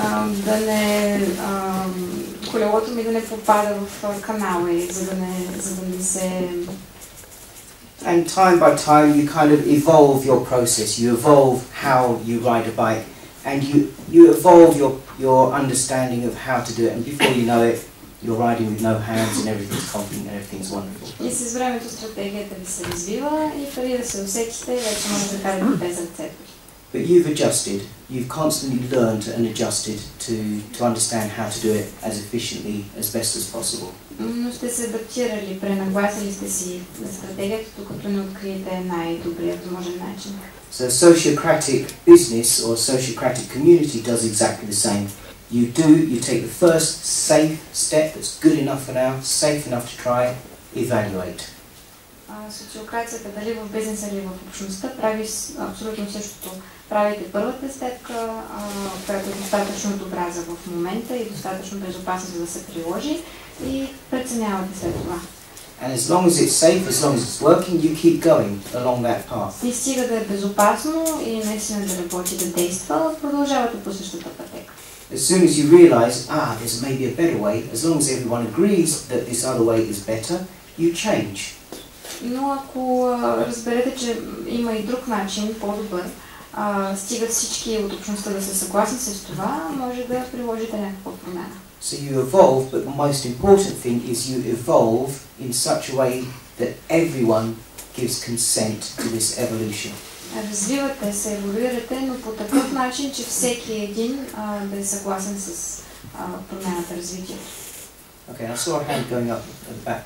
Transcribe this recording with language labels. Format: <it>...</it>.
<bg>Да не, колелото ми да не попада в канала, за да не се...</bg> <en>And time by time you kind of evolve your process, you evolve how you ride a bike, and you evolve your understanding of how to do it, and before you know it, you're riding with no hands and everything's confident and everything's wonderful.</en> <bg>И с времето стратегията ви се развива и преди да се усетите, вече може да карате без ръцете.</bg> <en>But you've adjusted, you've constantly learned and adjusted to understand how to do it as efficiently, as best as possible.</en> <bg>Но сте се адаптирали, пренагласили сте си на стратегията, докато не откриете най-добрия възможен начин.</bg> <en>So a sociocratic business or a sociocratic community does exactly the same. You take the first safe step that's good enough for now, safe enough to try, evaluate.</en> <bg>Социокрацията, дали в бизнеса или в общността, прави абсолютно същото. Правите първата стъпка, която е достатъчно добра за в момента и достатъчно безопасна, за да се приложи. И преценявате след това.</bg> <en>And as long as it's safe, as long as it's working, you keep going along that path.</en> <bg>И стига да е безопасно и наистина да работи, да действа, продължавате по същата пътека.</bg> <en>As soon as you realize, there's maybe a better way, as long as everyone agrees that this other way is better, you change.</en> <bg>Но ако разберете, че има и друг начин, по-добър, стигат всички от общността да са съгласни с това, може да приложите някаква промяна.</bg> <en>So you evolve, but the most important thing is you evolve in such a way that everyone gives consent to this evolution.</en> <bg>Развивате се, еволюирате, но по такъв начин, че всеки един да е съгласен с промяната, развитието.</bg> <en>Okay, I saw a hand going up at the back.</en>